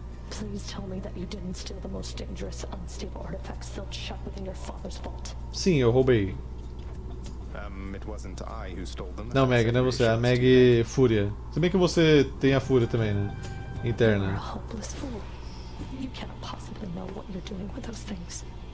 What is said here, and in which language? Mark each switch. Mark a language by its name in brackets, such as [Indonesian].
[English] Please tell me that you didn't steal the most dangerous unstable artifact still shut within your father's vault. [Portuguese] Sim, eu roubei. [English] It wasn't I who stole them. [Portuguese] Não, Maggie, não é você, é a Maggie Fúria. Se bem que você tem a Fúria também, né? Interna. [English] You're a hopeless fool. You cannot possibly know what you're doing with those things.